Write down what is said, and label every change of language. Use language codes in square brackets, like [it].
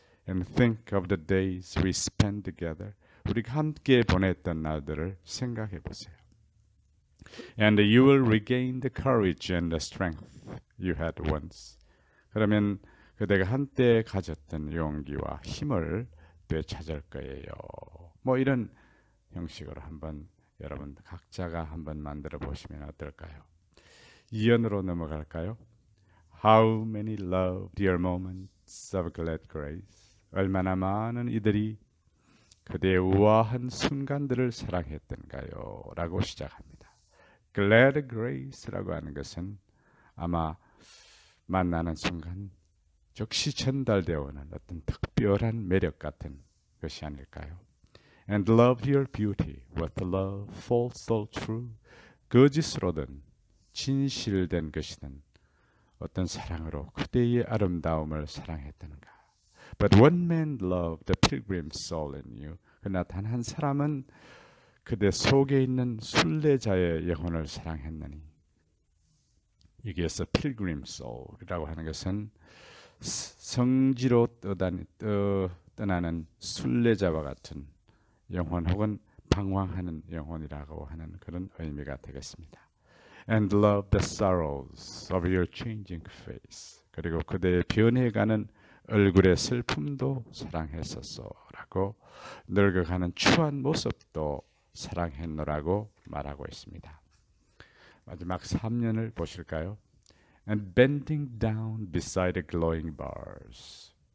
[en] And think of the days we spent together. [ko] 우리가 함께 보냈던 날들을 생각해보세요. [en] And you will regain the courage and the strength you had once. [ko] 그러면 그대가 한때 가졌던 용기와 힘을 되찾을 거예요. 뭐 이런 형식으로 한번 여러분 각자가 한번 만들어 보시면 어떨까요? 2연으로 넘어갈까요? [en] How many love dear moments of glad grace? [ko] 얼마나 많은 이들이 그대의 우아한 순간들을 사랑했던가요? 라고 시작합니다. [en] Glad grace [ko] 라고 하는 것은 아마 만나는 순간 즉시 전달되어 오는 어떤 특별한 매력 같은 것이 아닐까요? [en] And love your beauty with love, false or true. [ko] 거짓으로든 진실된 것이든 어떤 사랑으로 그대의 아름다움을 사랑했던가. [en] But one man loved the pilgrim soul in you. [ko] 그러나 단 한 사람은 그대 속에 있는 순례자의 영혼을 사랑했느니. 여기에서 [en] pilgrim soul [ko] 이라고 하는 것은 성지로 떠나는 순례자와 같은 영혼 혹은 방황하는 영혼이라고 하는 그런 의미가 되겠습니다. [en] And love the sorrows of your changing face. [ko] 그리고 그대의 변해가는 얼굴의 슬픔도 사랑했었소라고 늙어가는 추한 모습도 사랑했노라고 말하고 있습니다. 마지막 3년을 보실까요? [en] And bending down beside the glowing bars.